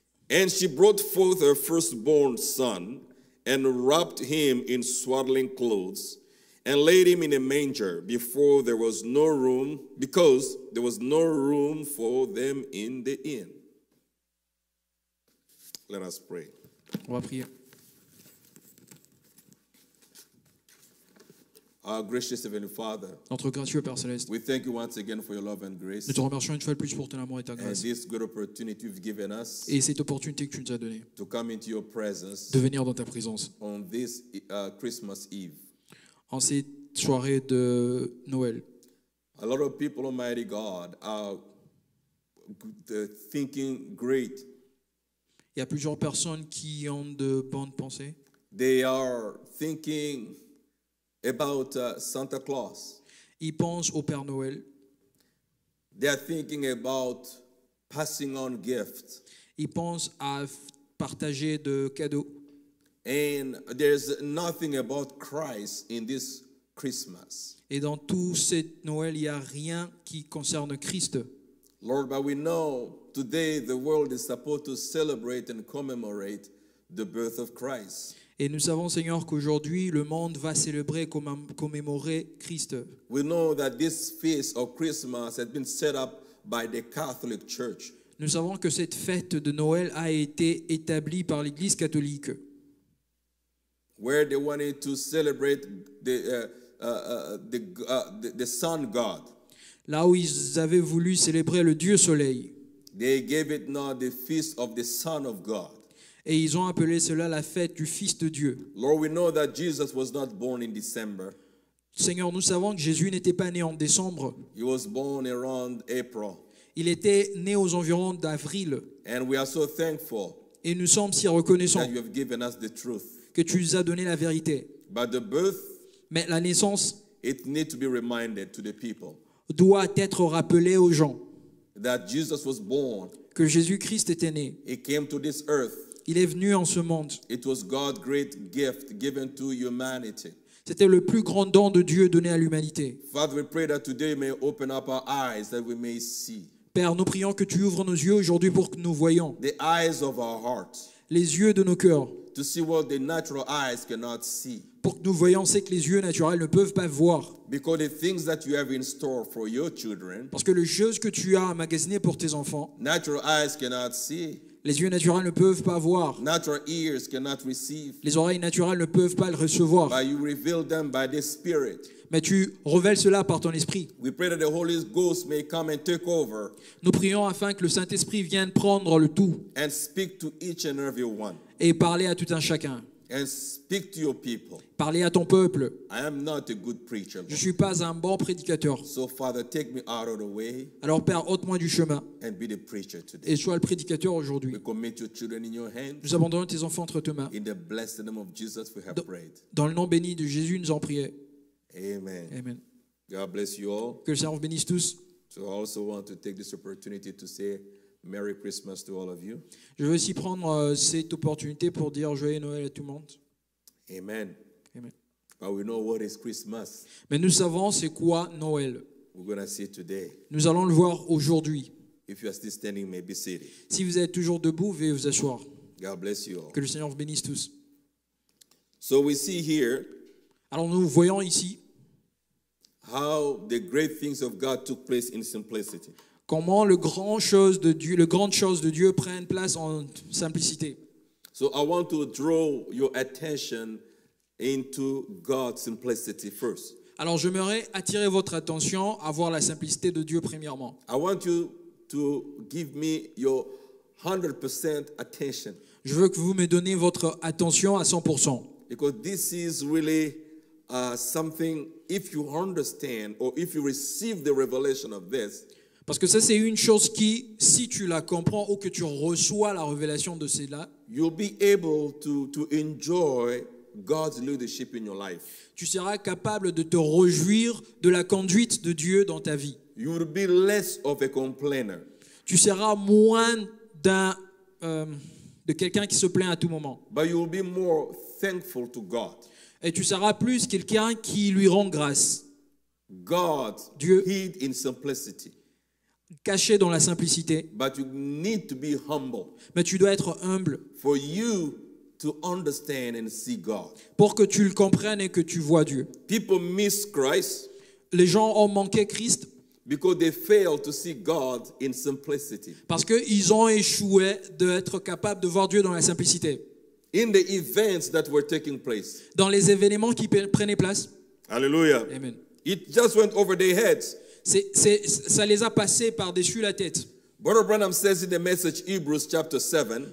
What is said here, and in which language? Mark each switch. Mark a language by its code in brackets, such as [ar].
[en] And she brought forth her firstborn son, and wrapped him in swaddling clothes, and laid him in a manger, because there was no room for them in the inn. Let us pray. [fr] On va prier. [en] Our gracious Heavenly Father, [fr] notre gracieux Père Céleste, [en] we thank you once again for your love and grace. [fr] Nous te remercions une fois de plus pour ton amour et ta grâce. [en] And this good opportunity you've given us, [fr] et cette opportunité que tu nous as donnée, [en] to come into your presence, [fr] de venir dans ta présence, [en] on this Christmas Eve, [fr] en cette soirée de Noël. [en] A lot of people, Almighty God, are thinking great. [fr] Il y a plusieurs personnes qui ont de bonnes pensées. [en] They are thinking about Santa Claus. [fr] Ils pensent au Père Noël. [en] They are thinking about passing on gifts. [fr] Ils pensent à partager de cadeaux. [en] And there's nothing about Christ in this Christmas. [fr] Et dans tout cet Noël, il n'y a rien qui concerne Christ. [en] Lord, but we know today the world is supposed to celebrate and commemorate the birth of Christ. [fr] Et nous savons, Seigneur, qu'aujourd'hui, le monde va célébrer, commémorer Christ. [en] We know that this feast of Christmas has been set up by the Catholic Church. [fr] Nous savons que cette fête de Noël a été établie par l'Église catholique. [en] Where they wanted to celebrate the Sun God. [fr] Là où ils avaient voulu célébrer le Dieu Soleil. [en] They gave it now the feast of the Son of God. [fr] Et ils ont appelé cela la fête du Fils de Dieu. [en] Lord, we know that Jesus was not born in December. [fr] Seigneur, nous savons que Jésus n'était pas né en décembre. [en] He was born around April. [fr] Il était né aux environs d'avril. [en] And we are so thankful. [fr] Et nous sommes si reconnaissants [en] that you have given us the truth. [fr] Que tu nous as donné la vérité. [en] But the birth, [fr] mais la naissance, [en] it need to be reminded to the people. [fr] Doit être rappelée aux gens. [en] That Jesus was born. [fr] Que Jésus-Christ était né. [en] He came to this earth. [fr] Il est venu en ce monde. [en] It was God's great gift given to humanity. [fr] C'était le plus grand don de Dieu donné à l'humanité. [en] Father, we pray that today you may open up our eyes that we may see. [fr] Père, nous prions que tu ouvres nos yeux aujourd'hui pour que nous voyions. [en] The eyes of our hearts. [fr] Les yeux de nos cœurs. [en] To see what the natural eyes cannot see. [fr] Pour que nous voyions ce que les yeux naturels ne peuvent pas voir. [en] Because the things that you have in store for your children. [fr] Parce que les choses que tu as emmagasinées pour tes enfants. [en] Natural eyes cannot see. [fr] Les yeux naturels ne peuvent pas voir. [en] Natural ears cannot receive. [fr] Les oreilles naturelles ne peuvent pas le recevoir. [en] But you reveal them by the Spirit. [fr] Mais tu révèles cela par ton esprit. [en] We pray that the Holy Ghost may come and take over. [fr] Nous prions afin que le Saint-Esprit vienne prendre le tout. [en] And speak to each and every one. [fr] Et parler à tout un chacun. [en] And speak to your people. [fr] Parler à ton peuple. [en] I am not a good preacher. [fr] Je ne suis pas un bon prédicateur. [en] So Father, take me out of the way. [fr] Alors Père, ôte-moi du chemin. [en] And be the preacher today. [fr] Et sois le prédicateur aujourd'hui. [en] We commit your children in your hands. [fr] Nous abandonnons tes enfants entre tes mains. [en] In the blessed name of Jesus, we have prayed. [fr] Dans le nom béni de Jésus, nous en prions. [en] Amen. [fr] Amen. [en] God bless you all. [fr] Que le Seigneur vous bénisse tous. [en] So I also want to take this opportunity to say Merry Christmas to all of you. [fr] Je veux aussi prendre cette opportunité pour dire joyeux Noël à tout le monde. [en] Amen. [fr] Amen. [en] But we know what is Christmas. [fr] Mais nous savons c'est quoi Noël. [en] We're gonna see it today. [fr] Nous allons le voir aujourd'hui. [en] If you are still standing, maybe seated. [fr] Si vous êtes toujours debout, veuillez vous asseoir. [en] God bless you all. [fr] Que le Seigneur vous bénisse tous. [en] So we see here. [fr] Alors nous voyons ici. [en] How the great things of God took place in simplicity. [fr] Comment le grand chose de Dieu, le grande chose de Dieu prend place en simplicité. [en] So I want to draw your attention into God's simplicity first. [fr] Alors j'aimerais attirer votre attention à voir la simplicité de Dieu premièrement. [en] I want you to give me your 100% attention. [fr] Je veux que vous me donniez votre attention à 100%. [en] Because this is really something if you understand or if you receive the revelation of this. [fr] Parce que ça, c'est une chose qui, si tu la comprends ou que tu reçois la révélation de cela, [en] you'll be able to enjoy God's leadership in your life. [fr] Tu seras capable de te réjouir de la conduite de Dieu dans ta vie. [en] You'll be less of a complainer. [fr] Tu seras moins de quelqu'un qui se plaint à tout moment. [en] But you'll be more thankful to God. [fr] Et tu seras plus quelqu'un qui lui rend grâce. [en] God [fr] Dieu [en] hid in simplicity. [fr] Caché dans la simplicité. [en] But you need to be humble. [fr] Mais tu dois être humble. [en] For you to understand and see God. [fr] Pour que tu le comprennes et que tu vois Dieu. [en] People miss Christ. [fr] Les gens ont manqué Christ. [en] Because they failed to see God in simplicity. [fr] Parce que ils ont échoué d'être capables de voir Dieu dans la simplicité. [en] In the events that were taking place. [fr] Dans les événements qui prenaient place. Alléluia. [en] Amen. It just went over their heads. [fr] Ça les a passés par-dessus la tête. [en] Brother Branham says in the message Hebrews chapter 7.